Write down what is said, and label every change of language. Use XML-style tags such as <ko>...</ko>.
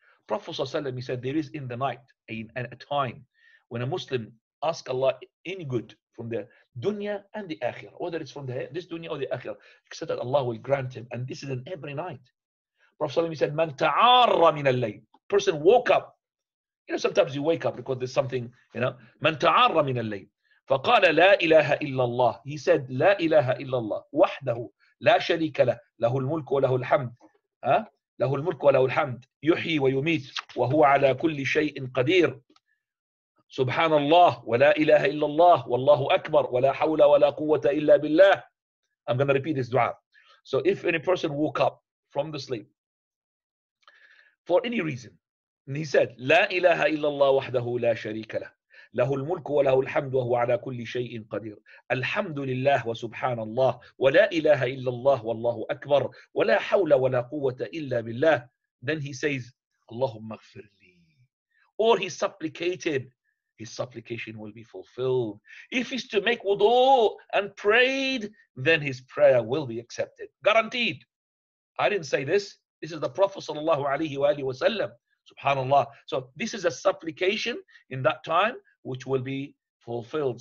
<en>Prophet ﷺ, he said, there is in the night a time when a Muslim asks Allah any good from the dunya and the akhirah, whether it's from this dunya or the akhirah, except that Allah will grant him. And this is in every night. Prophet ﷺ, he said,</en> <ar>man ta'arra min al-layl.</ar> <en>Person woke up. You know, sometimes you wake up because there's something, you know.</en> <ar>Man ta'arra min al-layl. فَقَالَ لَا إِلَهَ إِلَّا اللَّهِ.</ar> <en>He said,</en> <ar>لَا إِلَهَ إِلَّا اللَّهِ وَحْدَهُ لَا شَرِيكَ لَهُ لَهُ الْمُلْكُ وَلَهُ الْحَمْدُ. لَهُ الْمُلْكُ وَلَهُ الْحَمْدُ يُحْيِي وَيُمِيتُ وَهُوَ عَلَى كُلِّ شَيْءٍ قَدِيرٌ. سُبْحَانَ اللَّهِ وَلَا إِلَهَ إِلَّا اللَّهِ وَاللَّهُ أَكْبَرُ وَلَا حَوْلَ وَلَا قُوَّةَ إِلَّا بِاللَّهِ.</ar> <en>I'm going to repeat this dua. So if any person woke up from the sleep for any reason, and he said,</en> <ar>لَا إِلَهَ إِلَّا اللَّهُ وَحْدَهُ لَا شَرِيكَ لَهُ له الملك وله الحمد وهو على كل شيء قدير الحمد لله وسبحان الله ولا إله إلا الله والله أكبر ولا حول ولا قوة إلا بالله.</ar> <en>Then he says,</en> <ar>اللهم اغفر لي.</ar> <en>or he supplicated, his supplication will be fulfilled. If he's to make wudu and prayed, then his prayer will be accepted. Guaranteed. I didn't say this. This is the Prophet sallallahu alayhi wa alayhi wa sallam. Subhanallah. So this is a supplication in that time which will be fulfilled.</en>